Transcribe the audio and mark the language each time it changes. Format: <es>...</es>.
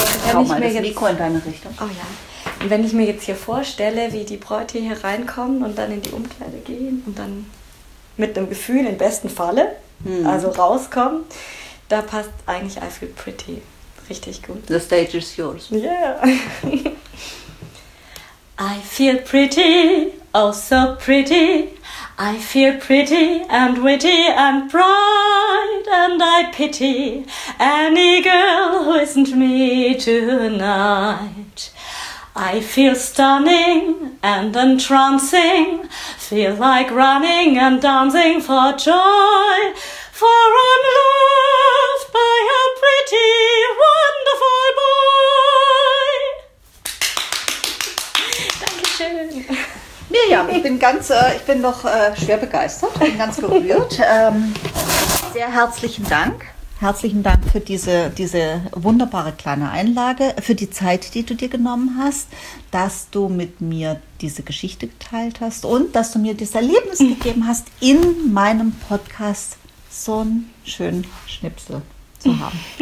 <de>Schau mal das Mikro in deine Richtung. Oh ja. Und wenn ich mir jetzt hier vorstelle, wie die Bräute hier reinkommen und dann in die Umkleide gehen und dann mit einem Gefühl im besten Falle, also rauskommen, da passt eigentlich I Feel Pretty richtig gut.</de> <en>The stage is yours. Yeah. I feel pretty, oh so pretty. I feel pretty and witty and bright. And I pity any girl who isn't me tonight. I feel stunning and entrancing. Feel like running and dancing for joy. For I'm loved by a pretty, wonderful boy.</en> <de>Dankeschön. Mirjam, ich bin schwer begeistert, bin ganz gerührt. Sehr herzlichen Dank. Herzlichen Dank für diese wunderbare kleine Einlage, für die Zeit, die du dir genommen hast, dass du mit mir diese Geschichte geteilt hast und dass du mir das Erlebnis gegeben hast, in meinem Podcast so einen schönen Schnipsel zu haben.</de>